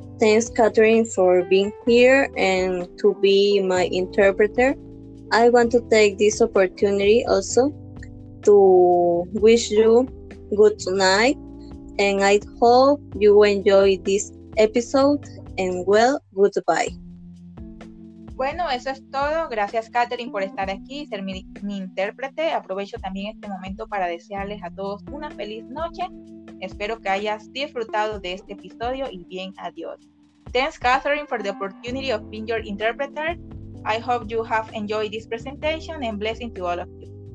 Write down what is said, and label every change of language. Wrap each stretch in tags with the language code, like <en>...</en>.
<en>Thanks, Catherine, for being here and to be my interpreter. I want to take this opportunity also to wish you good night, and I hope you enjoy this episode, and well, goodbye.</en> <es>Bueno, eso es todo. Gracias, Catherine, por estar aquí y ser mi intérprete. Aprovecho también este momento para desearles a todos una feliz noche. Espero que hayas disfrutado de este episodio y bien, adiós.</es> <en>Thanks, Catherine, for the opportunity of being your interpreter. I hope you have enjoyed this presentation and blessing to all of you.</en>